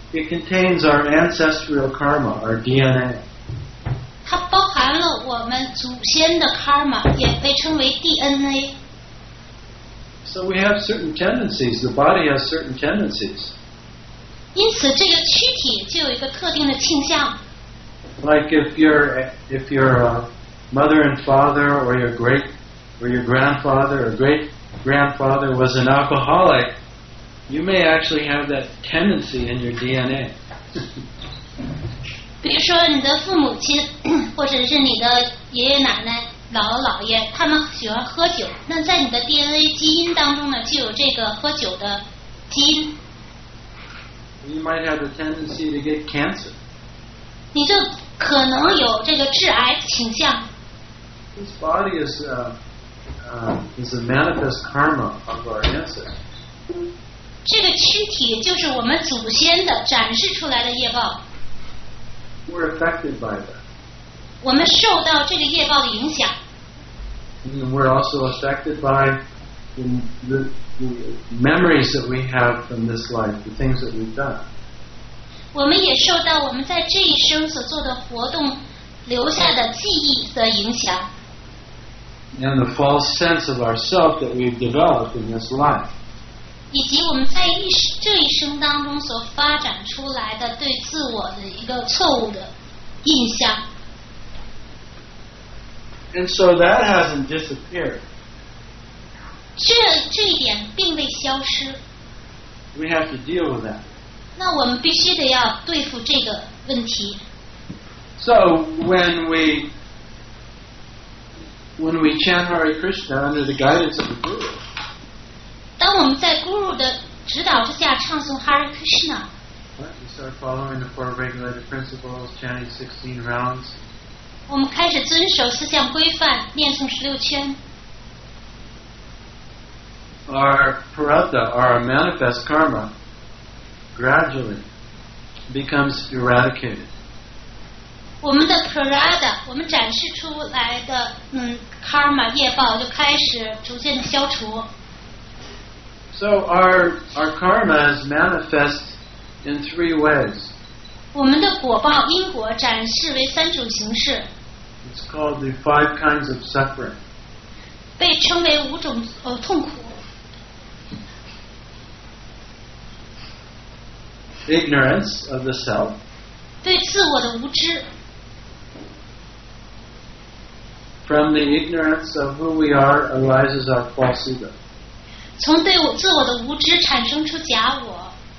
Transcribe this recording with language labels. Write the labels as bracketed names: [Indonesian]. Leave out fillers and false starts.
[English] It contains our ancestral karma, our DNA. [Chinese] 它包含了我们祖先的 karma, 也被称为 DNA. [English] So we have certain tendencies. The body has certain tendencies. [Chinese] 因此，这个躯体就有一个特定的倾向。 [English] Like if your mother and father, or your great, or your grandfather, or great grandfather was an alcoholic. You may actually have that tendency in your DNA. [Chinese] 比如说你的父母亲或者是你的爷爷奶奶姥姥姥爷他们喜欢喝酒，那在你的 DNA 基因当中呢就有这个喝酒的基因。 [English] You might have the tendency to get cancer. [Chinese] 你就可能有这个致癌倾向。 [English] This body is a manifest karma of our ancestors. [Chinese] 这个躯体就是我们祖先的展示出来的业报。 [English] We're affected by that. [Chinese] 我们受到这个业报的影响。 [English] And we're also affected by the memories that we have from this life, the things that we've done. [Chinese] 我们也受到我们在这一生所做的活动留下的记忆的影响。 [English] And the false sense of ourself that we've developed in this life. [Chinese] 以及我们在这一生当中所发展出来的对自我的一个错误的印象。 [English] And so that hasn't disappeared. [Chinese] 这一点并未消失。 [English] We have to deal with that. [Chinese] 那我们必须得要对付这个问题。 [English] So when we chant Hare Krishna under the guidance of the Guru, [Chinese] 当我们在 Guru 的指导之下唱诵 Hare Krishna, [English] we start following the four regulated principles, chanting 16 rounds. [Chinese] 我们开始遵守四项规范，念诵十六圈。 [English] Our paratha, our manifest karma, gradually becomes eradicated. [Chinese] 我们的 paratha, 我们展示出来的karma 业报就开始逐渐的消除。 [English] So our karma is manifest in three ways. [Chinese] 我们的果报因果展示为三种形式。 [English] It's called the five kinds of suffering. [Chinese] 被称为五种痛苦。 [English] Ignorance of the self. [Chinese] 对自我的无知。 [English] From the ignorance of who we are arises our false ego. [Chinese] 从对我自我的无知产生出假我。